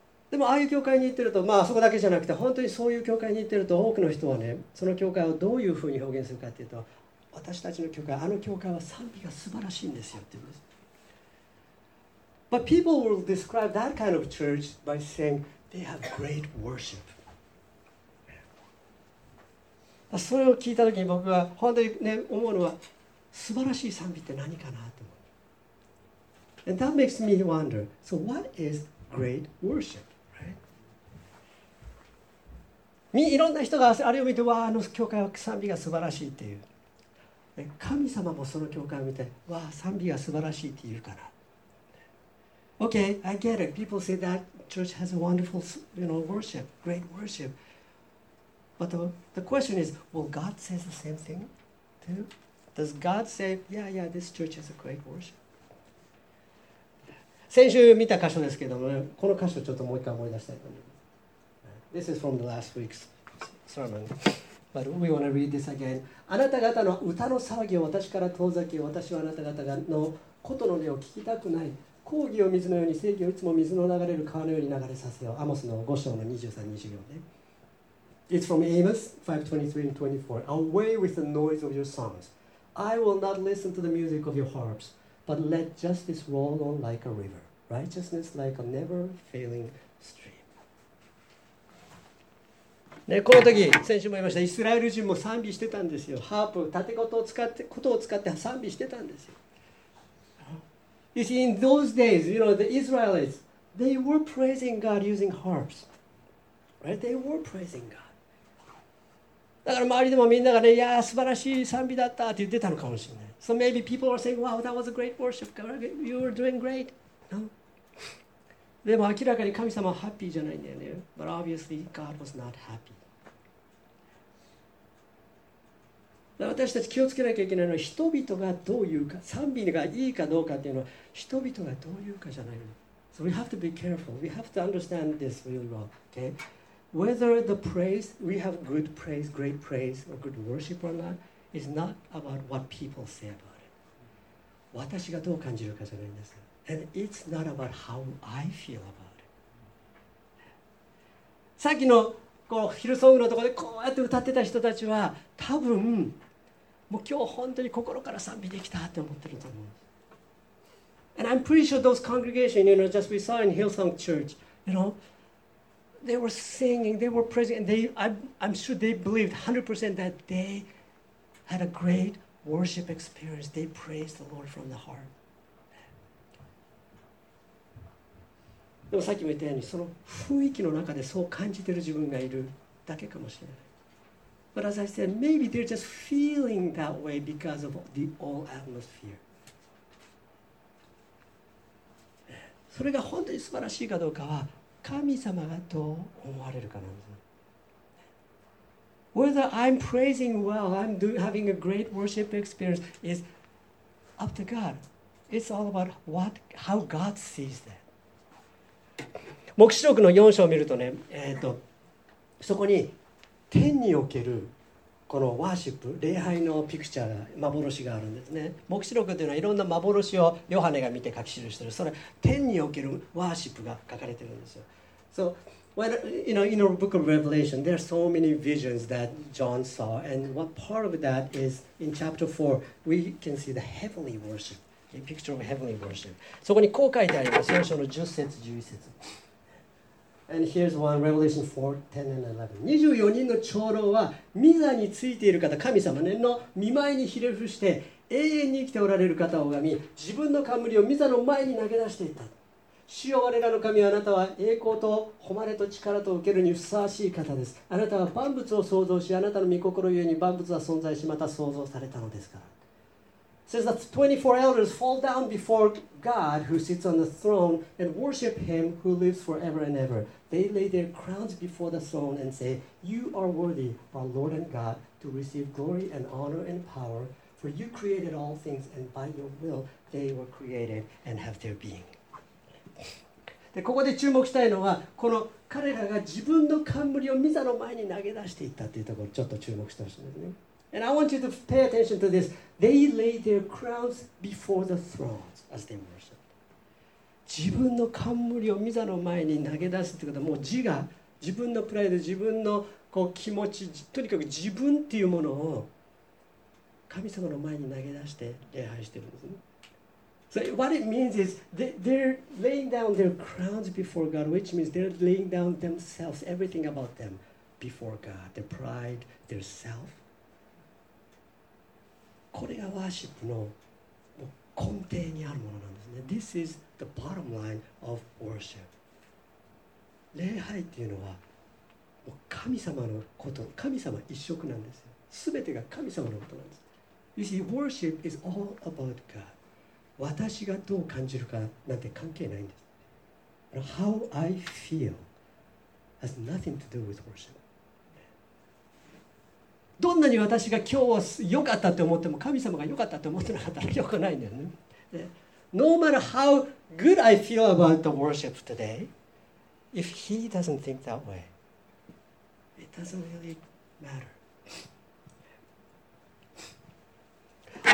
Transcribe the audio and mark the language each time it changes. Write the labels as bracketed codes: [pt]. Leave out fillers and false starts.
[ja] でもああいう教会に行ってると、まあそこだけじゃなくて本当にそういう教会に行ってると、多くの人はね、その教会をどういうふうに表現するかっていうと、私たちの教会、あの教会は賛美が素晴らしいんですよって言うんです。 [en] But people will describe that kind of church by saying they have great worship. [ja] それを聞いたときに僕は本当にね、思うのは素晴らしい賛美って何かなと思う。 [en] And that makes me wonder, so what is great worship? [ja] いろんな人があれを見て、わあ、あの教会は賛美が素晴らしいっていう。神様もその教会を見て、わあ、賛美が素晴らしいって言うから。 [en] Okay, I get it. People say that church has a wonderful, you know, worship, great worship. But the question is, will God say the same thing too? Does God say, yeah, yeah, this church has a great worship? [ja] 先週見た箇所ですけども、この箇所ちょっともう一回思い出したいと思います。 [en] This is from the last week's sermon. But we want to read this again. [ja] あなた方の歌の騒ぎを私から遠ざけ、私はあなた方のことの音を聞きたくない。公義を水のように、正義をいつも水の流れる川のように流れさせよう。アモスの5章の23、24ね。 [en] It's from Amos 5:23 and 24. Away with the noise of your songs. I will not listen to the music of your harps, but let justice roll on like a river. Righteousness like a never failing stream. [ja] ね、この時先週も言いました、イスラエル人も賛美してたんですよ。ハープ、たてことを使って、ことを使って賛美してたんですよ。 [en] You see, in those days, you know, the Israelites, they were praising God using harps. Right? They were praising God. [ja] だから周りでもみんながね、いや、素晴らしい賛美だったって言ってたのかもしれない。 [en] So maybe people are saying, wow, that was a great worship. You were doing great. No? [ja] でも明らかに神様はハッピーじゃないんだよね。 [en] But obviously God was not happy. [ja] 私たち気をつけなきゃいけないのは、人々がどういうか、賛美がいいかどうかっていうのは、人々がどういうかじゃないの。 [en] So we have to be careful. We have to understand this really well. Okay? Whether the praise, we have good praise, great praise, or good worship or not, is not about what people say about it. [ja] 私がどう感じるかじゃないんです。 [en] And it's not about how I feel about it. [ja] さっきのこうヒルソングのところでこうやって歌ってた人たちは、多分もう今日本当に心から賛美できたって思ってると思う。 [en] And I'm pretty sure those congregations, you know, just we saw in Hillsong Church, you know, they were singing, they were praising, and I'm sure they believed 100% that they had a great worship experience. They praised the Lord from the heart. [ja] でもさっきも言ったように、その雰囲気の中でそう感じている自分がいるだけかもしれない。 [en] But as I said, maybe they're just feeling that way because of the old atmosphere. [ja] それが本当に素晴らしいかどうかは、神様がどう思われるかなんです。 [en] Whether I'm praising well, I'm having a great worship experience is up to God. It's all about how God sees that. [ja] 黙示録の4章を見るとね、そこに天におけるこのワーシップ、礼拝のピクチャーが、幻があるんですね。黙示録というのはいろんな幻をヨハネが見て書き記している。それ、天におけるワーシップが書かれているんですよ。 [en] So, when, you know, in the book of Revelation, there are so many visions that John saw, and what part of that is in chapter 4, we can see the heavenly worship. A picture of heavenly worship. [ja] そこにこう書いてあります。聖書の10節11節。 [en] And here's one, Revelation 4:10 and 11. [ja] 24人の長老は御座についている方、神様ねの御前にひれ伏して永遠に生きておられる方を拝み、自分の冠を御座の前に投げ出していった。主よ、我らの神、あなたは栄光と誉れと力と受けるにふさわしい方です。あなたは万物を創造し、あなたの御心ゆえに万物は存在し、また創造されたのですから。 [en] Says that 24 elders fall down before God who sits on the throne and worship him who lives forever and ever. They lay their crowns before the throne and say, You are worthy, our Lord and God, to receive glory and honor and power, for you created all things, and by your will they were created and have their being. [ja] でここで注目したいのは、この彼らが自分の冠をミサの前に投げ出していったというところちょっと注目してほしいんですね。 [en] And I want you to pay attention to this. They laid their crowns before the throne as they worshiped. [ja] 自分の冠をミサの前に投げ出すということは、もう自我、自分のプライド、自分のこう気持ち、とにかく自分っていうものを神様の前に投げ出して礼拝しているんですね。 [en] So what it means is they're laying down their crowns before God, which means they're laying down themselves, everything about them before God, their pride, their self. [ja] これがワーシップの根底にあるものなんですね。 [en] This is the bottom line of worship. [ja] 礼拝っていうのは神様のこと、神様一色なんですよ。全てが神様のことなんです。 [en] You see, worship is all about God. [ja] 私がどう感じるかなんて関係ないんです。 [en] How I feel has nothing to do with worship. [ja] どんなに私が今日は良かったと思っても神様が良かったと思ってなかったら良くないんだよね。 [en] No matter how good I feel about the worship today, if he doesn't think that way, it doesn't really matter.